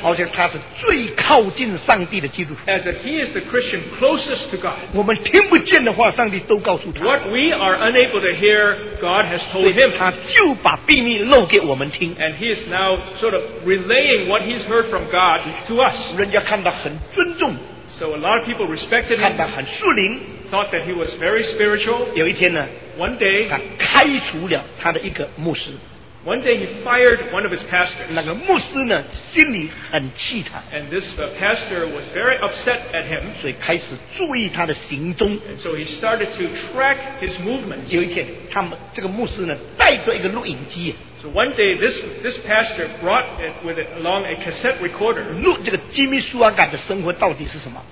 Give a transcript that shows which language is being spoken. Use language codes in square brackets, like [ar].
[zh] 好像他是最靠近上帝的基督徒。 [en] As if he is the Christian closest to God. [zh] 我们听不见的话上帝都告诉他。 [en] What we are unable to hear, God has told him. [zh] 所以他就把秘密漏给我们听。 [en] And he is now sort of relaying what he's heard from God to us. [zh] 人家看得很尊重。 [en] So a lot of people respected him. [zh] 看得很属灵。 [en] Thought that he was very spiritual. [zh] 有一天呢。 [en] One day, [zh] 他开除了他的一个牧师。 [en] One day he fired one of his pastors. [zh] 那个牧师呢，心里很气他。 [en] And this pastor was very upset at him. [zh] 所以开始注意他的行踪。 [en] And so he started to track his movements. [zh] 有一天，他们这个牧师呢，带着一个录音机。 [en] So one day this pastor brought it with it along a cassette recorder. [zh] 录这个吉米·苏瓦甘的生活到底是什么